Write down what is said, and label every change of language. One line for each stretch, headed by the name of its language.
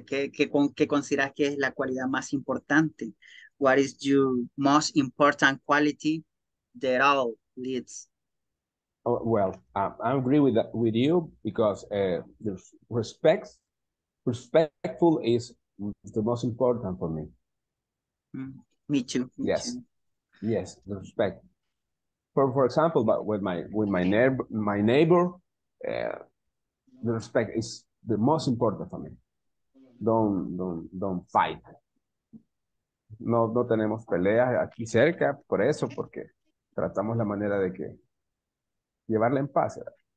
Spanish: ¿Qué consideras que es la cualidad más importante?
English: What is your most important quality that all leads? Well, I agree with you because respectful is the most important for me. Me too. Yes, the respect. For example, but with my neighbor, the respect is the most important for me. don't fight.
Spanish: No tenemos peleas aquí cerca, por eso, porque tratamos la manera de que llevarla en paz, ¿verdad?